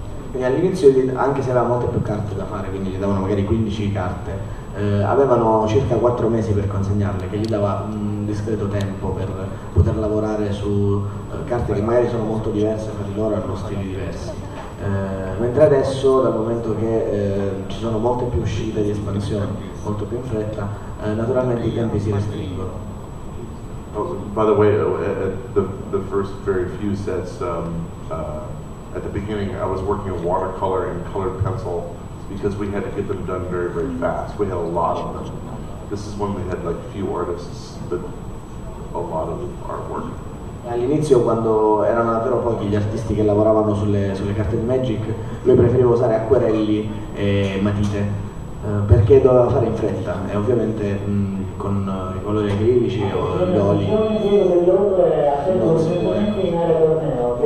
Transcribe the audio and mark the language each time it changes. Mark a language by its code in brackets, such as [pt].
[it] Quindi all'inizio, anche se aveva molte più carte da fare, quindi gli davano magari 15 carte, avevano circa 4 mesi per consegnarle, che gli dava un discreto tempo per poter lavorare su carte che magari sono molto diverse per loro e hanno stili diversi. Mentre adesso, dal momento che ci sono molte più uscite di espansione, molto più in fretta, naturalmente i tempi si restringono. [en] Oh, by the way, the first very few sets, at the beginning I was working in watercolor and colored pencil because we had to get them done very, very fast. We had a lot of them. This is when we had few artists, but a lot of artwork. [it] All'inizio, quando erano davvero pochi gli artisti che lavoravano sulle carte di Magic, lui preferiva usare acquerelli e matite perché doveva fare in fretta e ovviamente con i colori acrilici o gli oli non si può.